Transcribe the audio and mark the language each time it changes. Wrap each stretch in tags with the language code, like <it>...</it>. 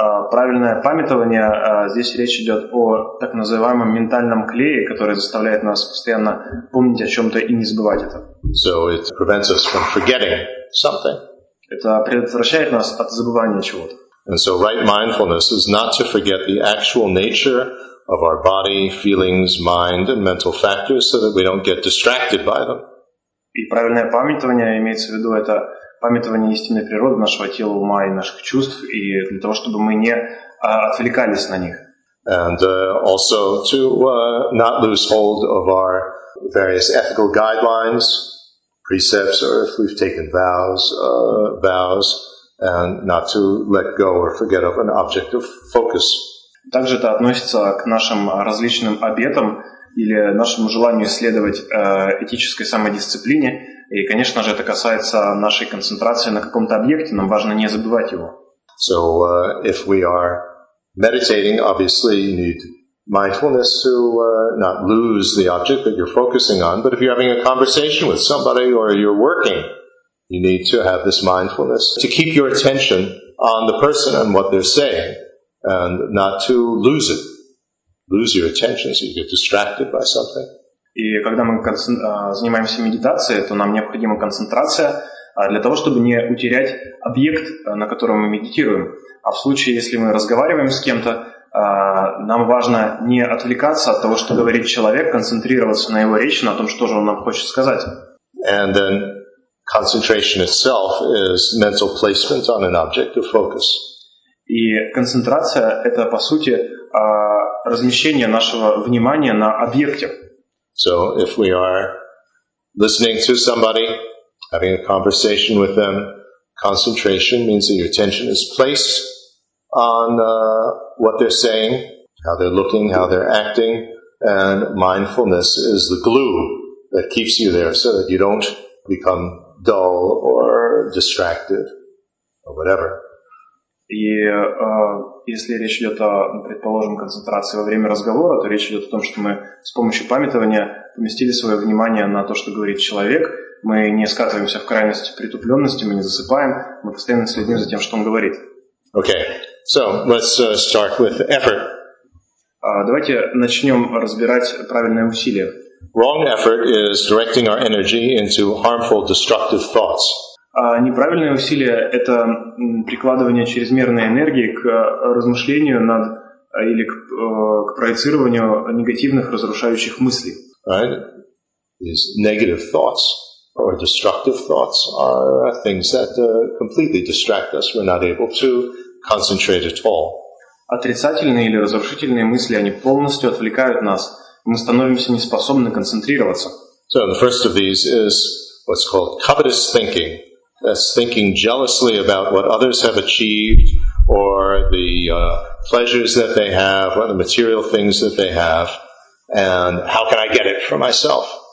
<ru>Правильное памятование. Здесь речь идет о так называемом ментальном клее, который заставляет нас постоянно помнить о чем-то и не забывать это.</ru> <en>So it prevents us from forgetting something.</en> <ru>Это предотвращает нас от забывания чего-то.</ru> <en>And so right mindfulness is not to forget the actual nature of our body, feelings, mind, and mental factors so that we don't get distracted by them.</en> <ru>И правильное памятование имеется в виду это памятование истинной природы нашего тела, ума и наших чувств, и для того, чтобы мы не отвлекались на них.</ru> <en>And also to not lose hold of our various ethical guidelines, precepts, or if we've taken vows, vows, and not to let go or forget of an object of focus.</en> <ru>Также это относится к нашим различным обетам или нашему желанию следовать этической самодисциплине. И, конечно же, это касается нашей концентрации на каком-то объекте. Нам важно не забывать его.</ru> <en>So, if we are meditating, obviously you need mindfulness to not lose the object that you're focusing on. But if you're having a conversation with somebody or you're working, you need to have this mindfulness to keep your attention on the person and what they're saying. And not to lose it, lose your attention, so you get distracted by something.</en> <ru>И когда мы занимаемся медитацией, то нам необходима концентрация для того, чтобы не утерять объект, на котором мы медитируем. А в случае, если мы разговариваем с кем-то, нам важно не отвлекаться от того, что говорит человек, концентрироваться на его речи, на том, что же он нам хочет сказать.</ru> <en>And then concentration itself is mental placement on an object of focus.</en> <ru>И концентрация – это, по сути, размещение нашего внимания на объекте.</ru> <en>So, if we are listening to somebody, having a conversation with them, concentration means that your attention is placed on what they're saying, how they're looking, how they're acting, and mindfulness is the glue that keeps you there so that you don't become dull or distracted or whatever.</en> <ru>И если речь идет о, предположим, концентрации во время разговора, то речь идет о том, что мы с помощью памятования поместили свое внимание на то, что говорит человек. Мы не скатываемся в крайности притупленности, мы не засыпаем, мы постоянно следим за тем, что он говорит.</ru> <en>Okay, so let's start with effort.</en> <ru>Давайте начнем разбирать правильное усилие.</ru> <en>Wrong effort is directing our energy into harmful, destructive thoughts.</en> <ru>Неправильное усилие – это прикладывание чрезмерной энергии к размышлению над или к проецированию негативных, разрушающих мыслей.</ru> <en>Right? These negative thoughts or destructive thoughts are things that completely distract us. We're not able to concentrate at all.</en> <ru>Отрицательные или разрушительные мысли, они полностью отвлекают нас. Мы становимся неспособны концентрироваться.</ru> <en>So the first of these is what's called covetous thinking. That's thinking jealously about what others have achieved or the pleasures that they have or the material things that they have and how can I get it for myself?</en>